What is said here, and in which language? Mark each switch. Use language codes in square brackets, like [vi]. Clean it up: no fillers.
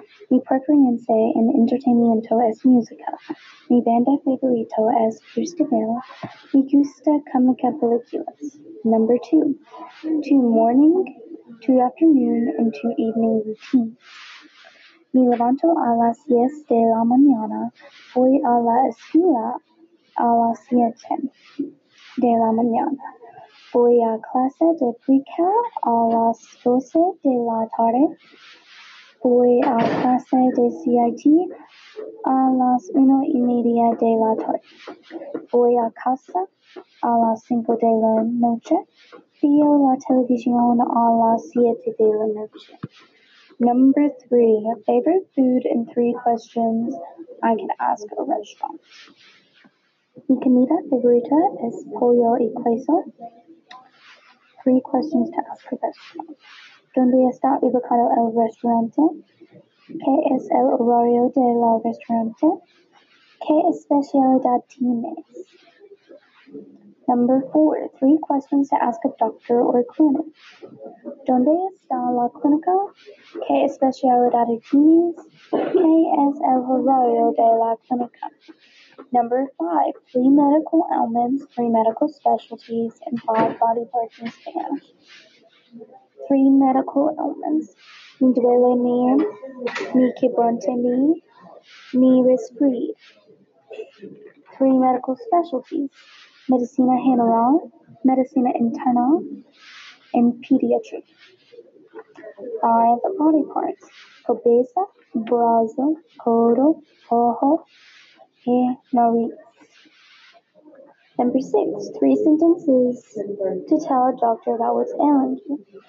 [es] Mi preferencia en entretenimiento es música. Mi banda favorita es Cruz de Mil. Mi gusta cómica películas. [en] Number two, two morning, two afternoon, and two evening routines. [es] Me levanto a las 10 de la mañana, voy a la escuela a las 7 de la mañana. Voy a clase de pre-cal a las 12 de la tarde. Voy a clase de CIT a las 1 y media de la tarde. Voy a casa a las 5 de la noche. Veo la televisión a las 7 de la noche. [en] Number three, favorite food and three questions I can ask a restaurant. [es] Mi comida favorita es pollo y queso. [en] Three questions to ask a restaurant. [es] ¿Dónde está ubicado el restaurante? ¿Qué es el horario del restaurante? ¿Qué especialidad tienes? [en] Number four, three questions to ask a doctor or clinic. [es] ¿Dónde está la clínica? ¿Qué especialidad tienes? ¿Qué es el horario de la clínica? [en] Number five, three medical ailments, three medical specialties, and five body parts in Spanish. Three medical ailments. [es] Mi duele mi, mi quebrante mi, mi resfrío. [en] Three medical specialties. [es] Medicina general, medicina interna, [en] and pediatric. Five body parts. [es] Cabeza, brazo, codo, ojo, y nariz. [en] Number six, three sentences to tell a doctor about what's ailing you.